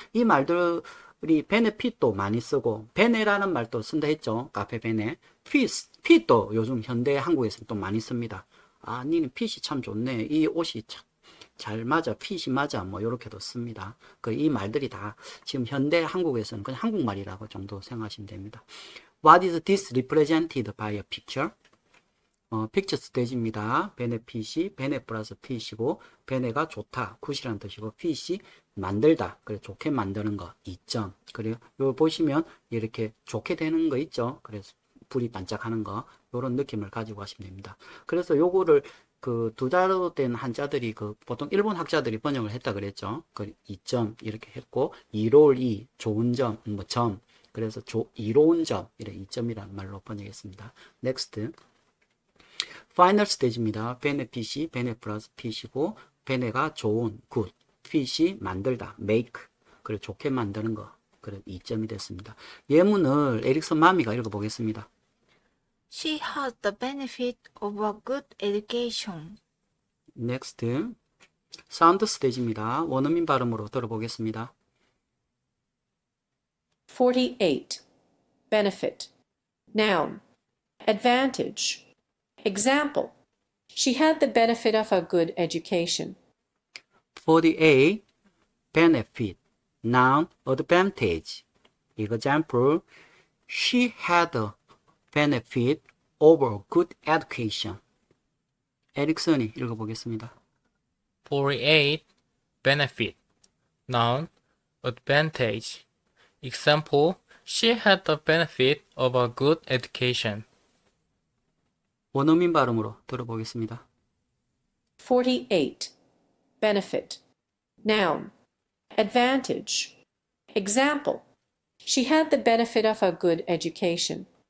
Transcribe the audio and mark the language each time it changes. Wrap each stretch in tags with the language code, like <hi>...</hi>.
<ko>이 말들이 베네핏도 많이 쓰고 베네라는 말도 쓴다 했죠. 카페 베네. 핏도 요즘 현대 한국에서 또 많이 씁니다. 아, 니는 핏이 참 좋네. 이 옷이 잘 맞아. 핏이 맞아. 뭐 이렇게도 씁니다. 그이 말들이 다 지금 현대 한국에서는 그냥 한국말이라고 정도 생각하시면 됩니다.</ko> <en>What is this represented by a picture?</en> <ko>picture 스테이지입니다. benefit이 bene 플러스 핏이고 베네가 좋다, 굿이라는 뜻이고 핏이 만들다, 그래 좋게 만드는 거 이점. 그리고 요 보시면 이렇게 좋게 되는 거 있죠. 그래서 불이 반짝하는 거 요런 느낌을 가지고 하시면 됩니다. 그래서 요거를 그두 자로 된 한자들이 그 보통 일본 학자들이 번역을 했다 그랬죠. 그 이점 이렇게 했고 이로울 이 좋은 점뭐점 그래서 이로운 점 이런 이점이란 말로 번역했습니다.</ko> <en>next.</en> <ko>파이널 스테이지입니다. 베네핏이 베네 플러스 핏이고 베네가 좋은 굿 핏이 만들다 메이크 그리고 좋게 만드는 거 그런 이점이 됐습니다. 예문을 에릭슨 마미가 읽어보겠습니다.</ko> <en>She had the benefit of a good education. next.</en> <ko>사운드 스테이지입니다. 원어민 발음으로 들어보겠습니다.</ko> <en>48. Benefit. Noun. Advantage. Example. She had the benefit of a good education. 48, benefit, noun, advantage. Example, she had a benefit over good education.</en> <ko>에릭슨이 읽어보겠습니다.</ko> <en>48 benefit noun advantage example she had the benefit of a good education</en> <ko>원어민 발음으로 들어보겠습니다.</ko> <en>48 benefit noun advantage example she had the benefit of a good education</en>